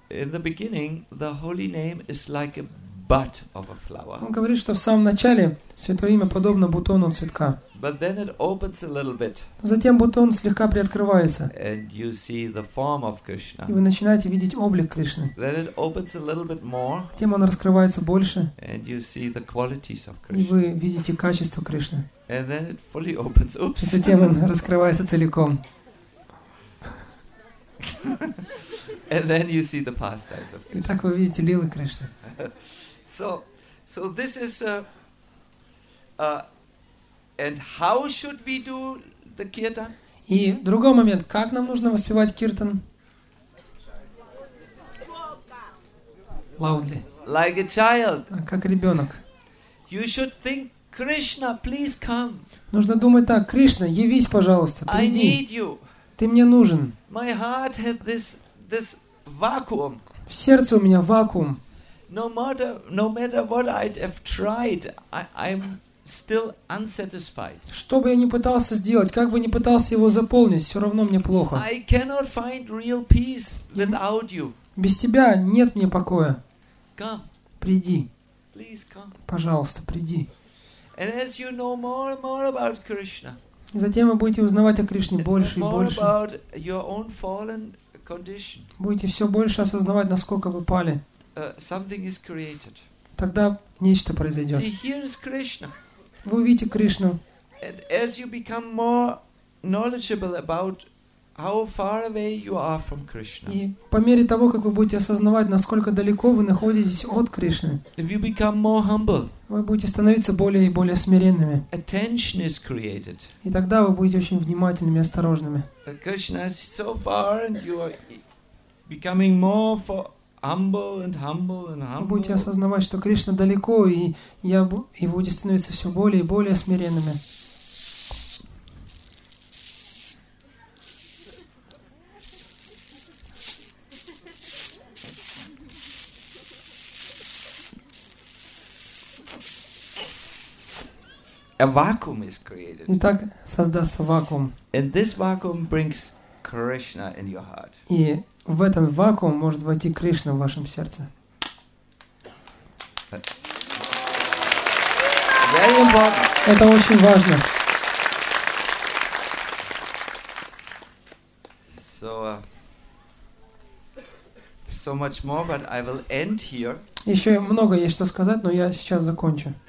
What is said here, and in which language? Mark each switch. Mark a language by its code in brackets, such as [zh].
[en] In the beginning, the holy name is like a bud of a flower. [ru] Он говорит, что в самом начале святое имя подобно бутону цветка. [en] But then it opens a little bit. [ru] Затем бутон слегка приоткрывается. [en] And you see the form of Krishna. [ru] И вы начинаете видеть облик Кришны. [en] Then it opens a little bit more. [ru] Затем он раскрывается больше. [en] And you see the qualities of Krishna. [ru] И вы видите качество Кришны. [en] And then it fully opens. Oops. [ru] И затем он раскрывается целиком. [en] And then you see the pastimes of Krishna. [ru] И так вы видите лилы Кришны. [en] So this is and how should we do the kirtan? [ru] И другой момент, как нам нужно воспевать киртан? [en] Loudly. Like a child. [ru] Как ребенок. [en] You should think, Krishna, please come. [ru] Нужно думать так: Кришна, явись, пожалуйста, приди. [en] I need you. [ru] Ты мне нужен. [en] My heart has this vacuum. [ru] В сердце у меня вакуум. [en] No matter what I have tried, I'm still unsatisfied. [ru] Что бы я ни пытался сделать, как бы ни пытался его заполнить, все равно мне плохо. [en] I cannot find real peace without you. [ru] Без тебя нет мне покоя. [en] Come. [ru] Приди. [en] Please come. [ru] Пожалуйста, приди. [en] And as you know more and more about Krishna. [ru] Затем вы будете узнавать о Кришне больше и больше. [en] About your own fallen condition. [ru] Будете все больше осознавать, насколько вы пали. [en] Something is created. [ru] Тогда нечто произойдет. [en] See, here is Krishna. [ru] Вы увидите Кришну. [en] And as you become more knowledgeable about how far away you are from Krishna. [ru] И по мере того, как вы будете осознавать, насколько далеко вы находитесь от Кришны, [en] if you become more humble, [ru] вы будете становиться более и более смиренными. [en] Attention is created. [ru] И тогда вы будете очень внимательными и осторожными. [en] Krishna is so far, and you are becoming more for humble and humble and humble. [ru] Вы будете осознавать, что Кришна далеко, и вы будете становиться все более и более смиренными. [en] A vacuum is created. [ru] Итак, создастся вакуум. [en] And this vacuum brings Krishna in your heart. [ru] И в этот вакуум может войти Кришна в вашем сердце. [en] Very important. [ru] Это очень важно. [en] So, so much more, but I will end here. [ru] Еще много есть что сказать, но я сейчас закончу.